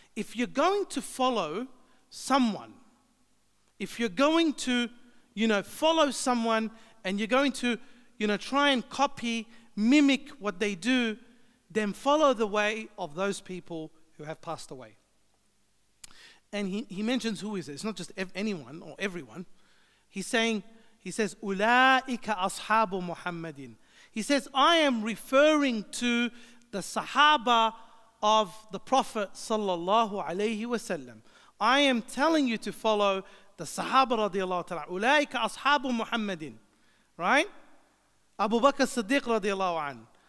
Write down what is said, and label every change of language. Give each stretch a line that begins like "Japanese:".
English: If you're going to follow someone, if you're going to, you know, follow someone and you're going to, you know, try and copy, mimic what they do, then follow the way of those people who have passed away. And he mentions who is it. It's not just anyone or everyone. He says,
Arabic: أُولَٰئِكَ أَصْحَابُ مُحَمَّدٍ.
English: He says, I am referring to the Sahaba of the Prophet sallallahu alayhi wasallam. I am telling you to follow the Sahaba radiallahu ta'ala.
Arabic: أُولَٰئِكَ أَصْحَابُ مُحَمَّدٍ.
English: Right? Abu Bakr Siddiq radiallahu anhu.